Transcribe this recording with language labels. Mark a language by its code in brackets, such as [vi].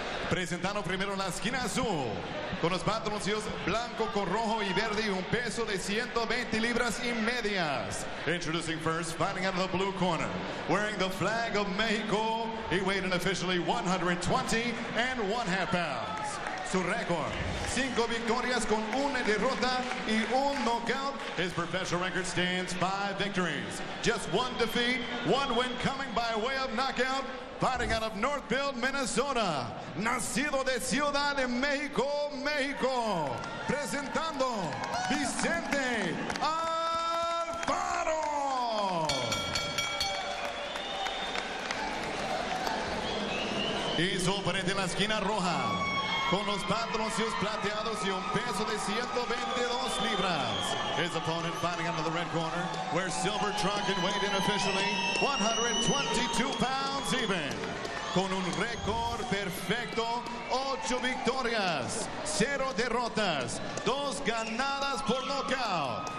[es] Presentando primero la esquina azul, con los patrocinios blanco con rojo y verde y un peso de 120 libras y medias. [en] Introducing first, fighting out of the blue corner, wearing the flag of Mexico, he weighed in officially 120.5 pounds. Su récord, 5 victorias con 1 derrota y 1 knockout. His professional record stands 5 victories. Just 1 defeat, 1 win coming by way of knockout. Fighting out of Northfield, Minnesota. [es] Nacido de Ciudad de México, México. Presentando Vicente Alfaro. Y su frente en la esquina roja. Con los patrocinios plateados y un peso de 122 libras. [en] His opponent fighting out of the red corner. Wears silver trunk and weighed in officially 122 pounds even. [es] Con un récord perfecto, 8 victorias, 0 derrotas, 2 ganadas por nocaut.